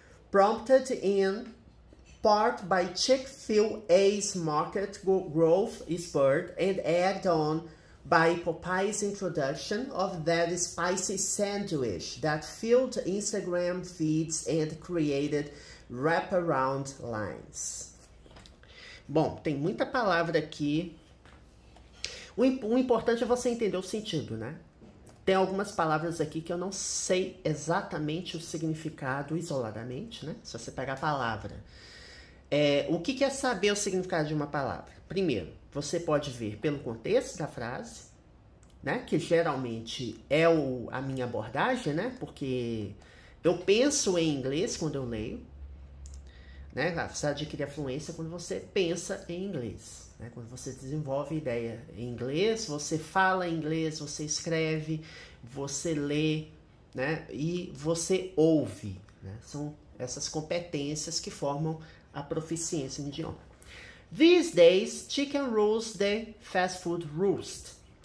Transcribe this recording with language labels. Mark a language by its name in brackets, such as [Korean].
[English] Prompted in part by Chick-fil-A's market growth spurt and egged on by Popeye's introduction of that spicy sandwich that filled Instagram feeds and created wraparound lines. [Portuguese] Bom, tem muita palavra aqui. O importante é você entender o sentido, né? Tem algumas palavras aqui que eu não sei exatamente o significado isoladamente, né? Se você pegar a palavra. O que é saber o significado de uma palavra? Primeiro, você pode ver pelo contexto da frase. Né? Que geralmente é a minha abordagem, né? Porque eu penso em inglês quando eu leio. Né? Você adquire a fluência quando você pensa em inglês, né? Quando você desenvolve ideia em inglês, você fala em inglês, você escreve, você lê, né? E você ouve, né? São essas competências que formam a proficiência no idioma. [English] These days, chicken roast the fast food roast.